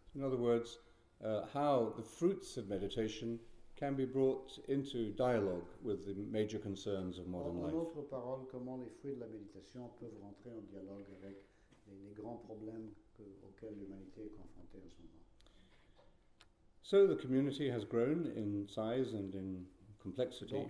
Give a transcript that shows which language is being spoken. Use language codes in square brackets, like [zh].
[en] In other words, how the fruits of meditation can be brought into dialogue with the major concerns of modern life. [fr] En d'autres paroles, comment les fruits de la méditation peuvent rentrer en dialogue avec les grands problèmes auxquels l'humanité est confrontée en ce moment. [en] So the community has grown in size and in complexity.